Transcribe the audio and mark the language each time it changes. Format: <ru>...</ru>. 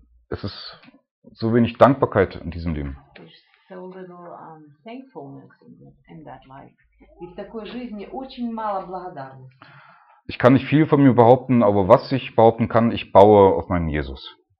<de>Es ist so wenig Dankbarkeit in diesem Leben.</de> <en>There's so little thankfulness in that life.</en> <ru>И в такой жизни очень мало благодарности.</ru> <de>Ich kann nicht viel von mir behaupten, aber was ich behaupten kann, ich baue auf meinen Jesus.</de>